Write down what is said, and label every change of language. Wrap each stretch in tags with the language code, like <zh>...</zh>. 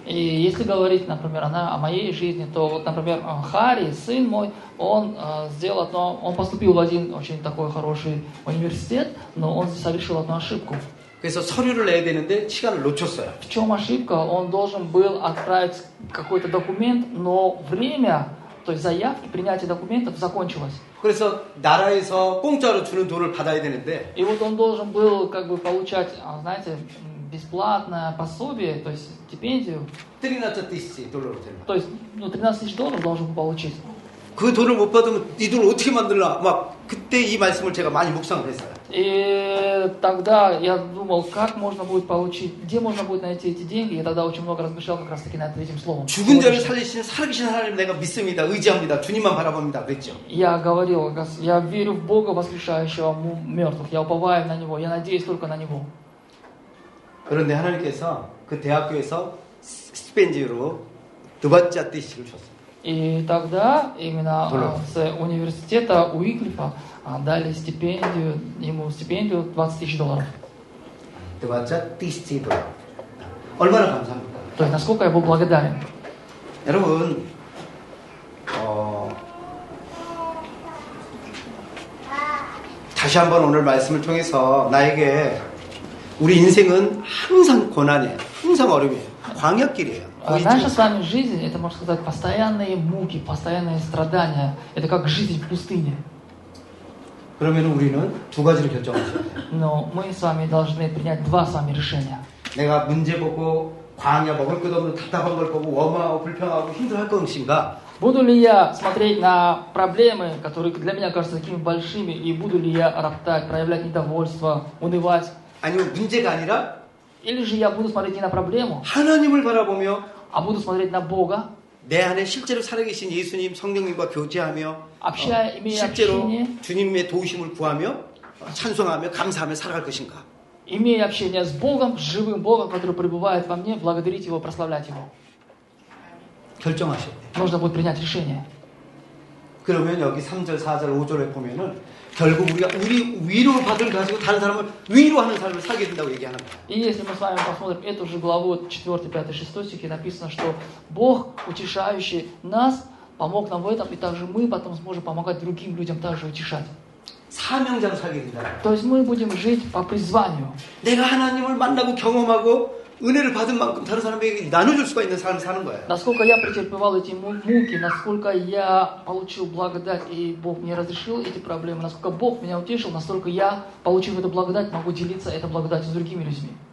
<ru>И если говорить, например, о моей жизни, то вот, например, Хари, сын мой, он сделал одно, он поступил в один очень такой хороший университет, но он совершил одну ошибку.</ru> <ko>그래서 서류를 내야 되는데 시간을 놓쳤어요.</ko> <ru>처음 ошибка, он должен был отправить какой-то документ, но время, то есть заявки, принятие документов закончилось.</ru> <ko>그래서 나라에서 공짜로 주는 돈을 받아야 되는데.</ko> <ru>И вот он должен был как бы получать, знаете, бесплатное пособие, то есть стипендию. 13,000 долларов. То есть, ну, 13,000 долларов должен был получить.</ru> <ko>그 돈을 못 받으면 이 돈을 어떻게 만들라? 막 그때 이 말씀을 제가 많이 묵상을 했어요.</ko> <ru>И тогда я думал, как можно будет получить, где можно будет найти эти деньги. Я тогда очень много размышлял как раз таки над этим словом.</ru> <ko>죽은 자를 살리신 살아계신 하나님 내가 믿습니다, 의지합니다, 주님만 바라봅니다, 그랬죠.</ko> <ru>Я говорил, я верю в Бога воскрешающего мертвых. Я уповаю на Него, я надеюсь только на Него.</ru> <ko>그런데 하나님께서 그 대학교에서 스펜지로 두 번째 뜻을 줬어.</ko> <ru>И тогда именно с университета Уиклифа дали стипендию, ему стипендию 20,000 долларов. 20,000 долларов.</ru> <ko>얼마나 감사합니다.</ko> <ru>То есть насколько я был благодарен.</ru> <ko>여러분, 다시 한번 오늘 말씀을 통해서 나에게 우리 인생은 항상 고난이에요. 항상 어려움이에요. 광역길이에요.</ko> <ru>Наша с вами жизнь, это можно сказать, постоянные муки, постоянные страдания. Это как жизнь в пустыне.</ru> <ko>그러면 우리는 두 가지를 결정하죠.</ko> <ru>Но мы с вами должны принять два с вами решения.</ru> <ko>내가 문제 보고 광야 먹을 것 없는 답답한 걸 보고 원망하고 불평하고 힘들할 것인가?</ko> <ru>Буду ли я смотреть на проблемы, которые для меня кажутся такими большими, и буду ли я роптать, проявлять недовольство, унывать?</ru> <ko>아니면 문제가 아니라?</ko> <ru>Или же я буду смотреть не на проблему,</ru> <ko>하나님을 바라보며,</ko> <ru>а буду смотреть на Бога,</ru> <ko>내 안에 실제로 살아계신 예수님, 성령님과 교제하며,</ko> <ru>общение,</ru> <ko>구하며, 찬송하며, 감사하며 살아갈 것인가?</ko> <ru>Имея общение с Богом, с живым Богом, который пребывает во мне, благодарить Его, прославлять Его.</ru> <ko>결정하셔야 돼.</ko> <ru>Нужно будет принять решение.</ru> <ko>그러면 여기 3절, 4절, 5절에 보면은 결국 우리가 우리 위로를 받은 가지고 다른 사람을 위로하는 삶을 살게 된다고 얘기하는 거예요.</ko> <ru>이 если мы с вами посмотрим эту же главу 4, 5, 6 стихе написано, что Бог утешающий нас помог нам в этом, и также мы потом сможем помогать другим людям также утешать.</ru> <ko>사명자로 살게 된다.</ko> <ru>То есть мы будем жить по призванию.</ru> <ko>내가 하나님을 만나고 경험하고 은혜를 받은 만큼 다른 사람에게 나눠줄 수가 있는 삶을 사는 거예요.</ko> <ru>Насколько я претерпевал эти муки, насколько я получил благодать и Бог мне разрешил эти проблемы, насколько Бог меня утешил, настолько я, получив эту благодать, могу делиться этой благодатью с другими людьми.</ru>